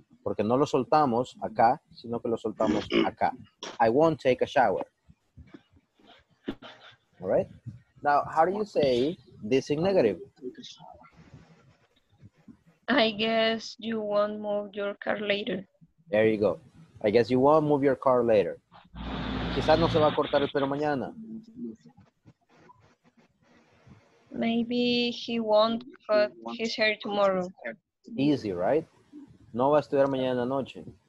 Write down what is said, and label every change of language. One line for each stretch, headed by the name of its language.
Spanish: Porque no los soltamos acá, sino que los soltamos acá.
English: I won't take a shower. All right? Now, how do you say this in negative? I guess you won't move your car later. There you go. I guess you won't move your car later.
Spanish: Quizás no se va a cortar el pelo mañana.
English: Maybe he won't cut his hair tomorrow. Easy, right?
Spanish: No va a estudiar mañana en la noche.